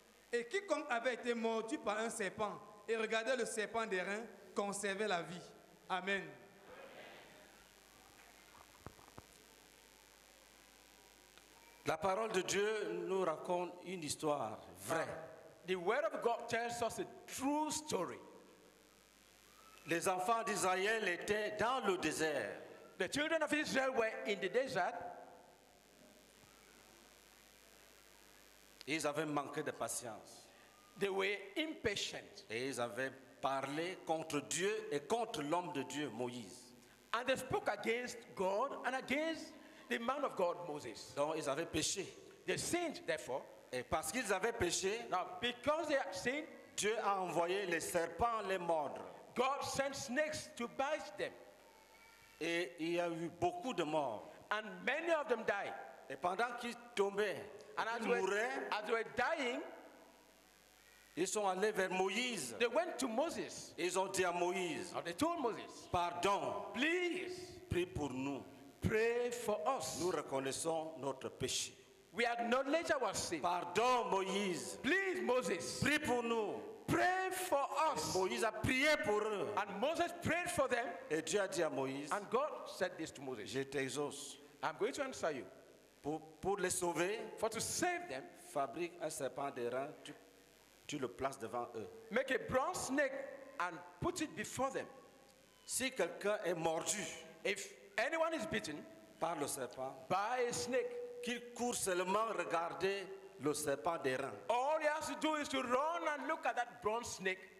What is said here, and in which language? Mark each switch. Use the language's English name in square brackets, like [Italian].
[French] Et quiconque avait été mordu par un serpent et regardait le serpent d'airain conservait la vie. Amen. La parole de Dieu nous raconte une histoire vraie. [English] The word of God tells us a true story. [French] Les enfants d'Israël étaient dans le désert. [English] The children of Israel were in the desert. [French] Ils avaient manqué de patience. [English] They were impatient. [French] Et ils avaient parlé contre Dieu et contre l'homme de Dieu, Moïse. [English] And they spoke against God and against the man of God, Moses. [French] Donc ils avaient péché. [English] They sinned, therefore. [French] Et parce qu'ils avaient péché, [English] now, because they had sinned, [French] Dieu a envoyé les serpents les mordre. [English] God sent snakes to bite them. [French] Et il y a eu beaucoup de morts. [English] And many of them died. [French] Et pendant qu'ils tombaient, [English] and as they were dying, [French] ils sont allés vers Moïse. [English] They went to Moses. [French] Ils ont dit à Moïse, [English] they told Moses, [French] pardon, [English] please, [French] prie pour nous. [English] Pray for us. [French] Nous reconnaissons notre péché. [English] We acknowledge our sin. [French] Pardon, Moïse. [English] Please, Moses, [French] prie pour nous. [English] Pray for us. [French] Et Moïse a prié pour eux. [English] And Moses prayed for them. [French] Et Dieu a dit à Moïse, [English] and God said this to Moses, [French] je t'exauce. [English] I'm going to answer you. [French] Pour les sauver, [English] for to save them, [French] fabrique un serpent d'airain, tu le places devant eux. [English] Make a bronze snake and put it before them. [French] Si quelqu'un est mordu, [English] if anyone is bitten, [French] par le serpent, [English] by a snake, [French] qu'il court seulement regarder le serpent d'airain. [English] All he has to do is to run and look at that bronze snake